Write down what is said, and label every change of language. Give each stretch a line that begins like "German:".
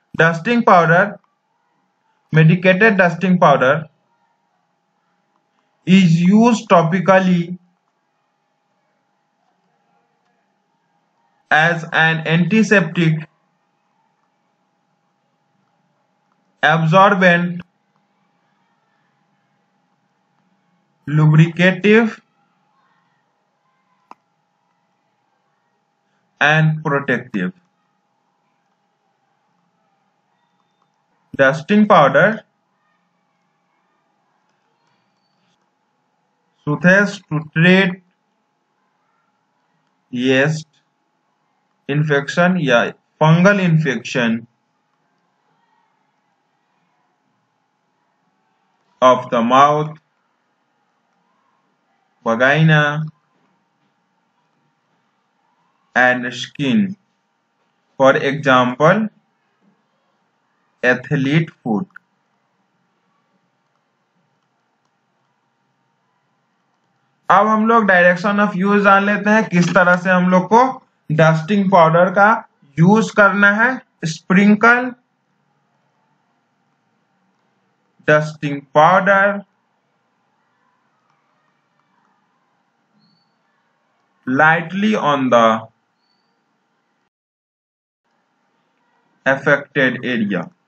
English: Dusting powder, medicated dusting powder is use topically as an antiseptic absorbent lubricative and protective। Dusting powder soothes to treat yeast infection या fungal infection of the mouth, vagina and skin, for example athlete foot।
Hindi: अब हम लोग direction of use जान लेते हैं किस तरह से हम लोग को डस्टिंग पाउडर का यूज करना है।
English: Sprinkle dusting powder lightly on the affected area।